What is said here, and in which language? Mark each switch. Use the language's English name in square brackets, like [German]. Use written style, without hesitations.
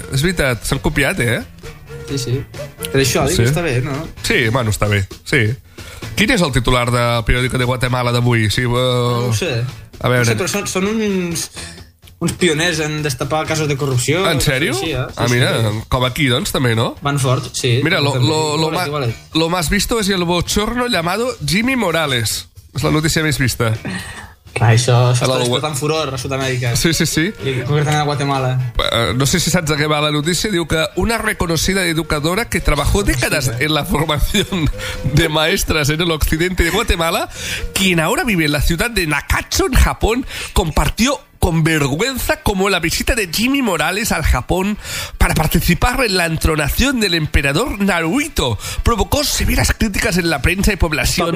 [Catalan] És veritat, s'han copiat, eh? Sí, sí. Per això, dic, està bé, no? Sí, bueno, està bé, sí. Quin és el titular del periódico de Guatemala d'avui? No ho sé. A veure. No sé, però són uns pioners en destapar casos de corrupció. En sèrio? Sí, eh? Ah, mira, com aquí, doncs, també, no? Van fort, sí. [Spanish] Mira, lo más visto es el bochorno llamado Jimmy Morales. [Catalan] És la notícia més vista. Clar, això està despertant furor a Sud-amèrica. Sí, sí, sí. I concretament a Guatemala. No sé si saps de què va la notícia. Diu que [Spanish] una reconocida educadora que trabajó décadas en la formación de maestras en el occidente de Guatemala, quien ahora vive en la ciudad de Nakacho, en Japón, compartió con vergüenza como la visita de Jimmy Morales al Japón para participar en la entronación del emperador Naruhito provocó severas críticas en la prensa y población.